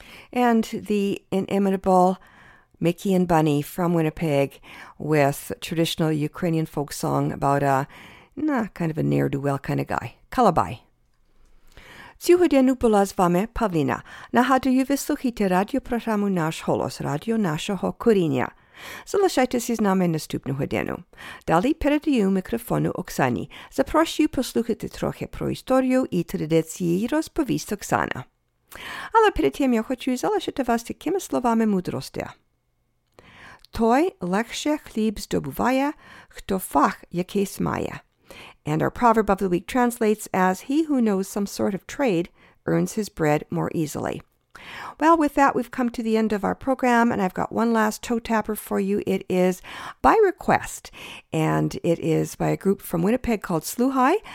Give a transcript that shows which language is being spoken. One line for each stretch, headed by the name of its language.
English: And the inimitable Mickey and Bunny from Winnipeg with traditional Ukrainian folk song about a ne'er-do-well kind of guy. Kalabai.
Ukrainian: Сьогодні була з вами Павліна. Нагадую, ви слухаєте радіопрограму «Наш голос», радіо нашого коріння. Залишайтеся з нами наступну годину. Далі передаю мікрофону Оксані. Запрошую послухати трохи про історію і традиції і розповість Оксана. Але перед тим я хочу залишити вас такими словами мудрості. Той легше хліб здобуває, хто фах якийсь має.
English: And our proverb of the week translates as, he who knows some sort of trade earns his bread more easily. Well, with that, we've come to the end of our program, and I've got one last toe tapper for you. It is by request, and it is by a group from Winnipeg called Sluhai.